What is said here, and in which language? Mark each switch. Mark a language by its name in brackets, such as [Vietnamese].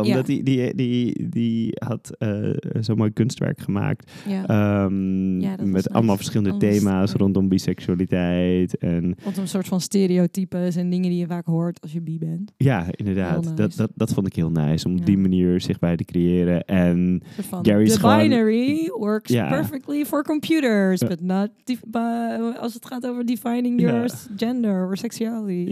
[Dutch] Omdat die had zo'n mooi kunstwerk gemaakt. Ja. Met allemaal nice. Verschillende anders, thema's rondom biseksualiteit. En rondom een soort van stereotypes en dingen die je vaak hoort als je bi bent. Ja, inderdaad. Nice. Dat vond ik heel nice. Om op die manier zichtbaar te creëren. En Gary's [English] the binary works perfectly for computers. But not [Dutch] als het gaat over [English] defining your gender or sexuality.